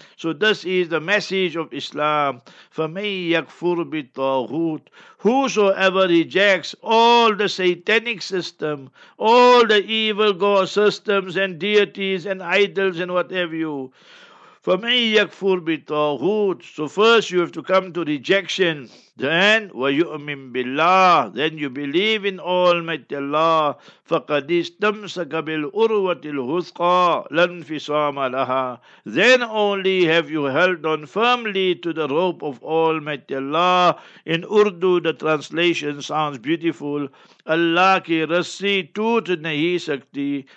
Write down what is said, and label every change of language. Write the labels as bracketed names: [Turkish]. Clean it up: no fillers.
[English] So this is the message of Islam. [Arabic] فَمَنْ يَكْفُرْ بِالطَّاغُوتِ. [English] Whosoever rejects all the satanic system, all the evil god systems and deities and idols and whatever you... [Arabic] فَمَنْ يَكْفُرْ بِالطَّاغُوتِ. [English] So first you have to come to rejection. [Arabic] Then, وَيُؤْمِن بِاللَّهِ. [English] Then you believe in Almighty Allah. [Arabic] فَقَدِ اسْتَمْسَكَ بِالْأُرْوَةِ الْهُثْقَى لَنْفِصَامَ لَهَا. [English] Then only have you held on firmly to the rope of Almighty Allah. In Urdu, the translation sounds beautiful. [Urdu] Allah ki rassi toot nahi sakti.